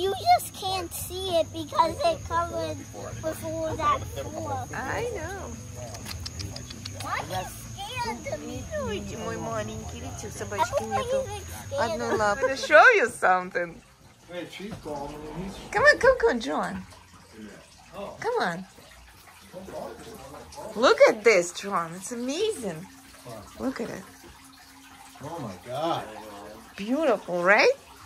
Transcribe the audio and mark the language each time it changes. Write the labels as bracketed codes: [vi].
[en] You just can't see it because it covered with all that fur. I know. Why is scared of me? [ru] Видите, мой маленький, видите, у собачки нету одной лапы. [en] I'm gonna show you something. Come on, John. Come on. Look at this, John. It's amazing. Look at it. Oh my God! Beautiful, right?